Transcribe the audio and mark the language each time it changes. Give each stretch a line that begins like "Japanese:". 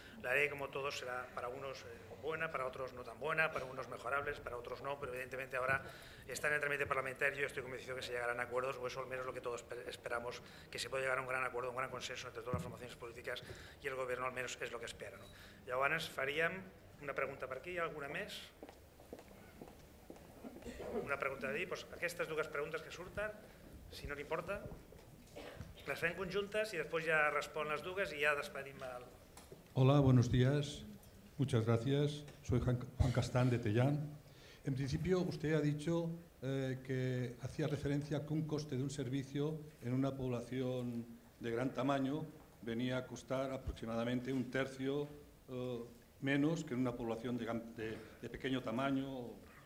Spanish: La ley, como todos, será para unos buena, para otros no tan buena, para unos mejorables, para otros no, pero evidentemente ahora está en el trámite parlamentario y estoy convencido que se llegarán a acuerdos, o eso al menos es lo que todos esperamos, que se pueda llegar a un gran acuerdo, un gran consenso entre todas las formaciones políticas y el Gobierno al menos es lo que espera. ¿No?
Catalan: Llavors, faríem una pregunta per aquí, alguna més? Una pregunta d'ahir, pues aquestes dues preguntes que surten, si no li importa,
Spanish: las hacen conjuntas y después ya responden las dudas y ya despedimos. Hola, buenos días. Muchas gracias. Soy Juan Castán de Tellán. En principio, usted ha dicho que hacía referencia que un coste de un servicio en una población de gran tamaño venía a costar aproximadamente un tercio menos que en una población de pequeño tamaño.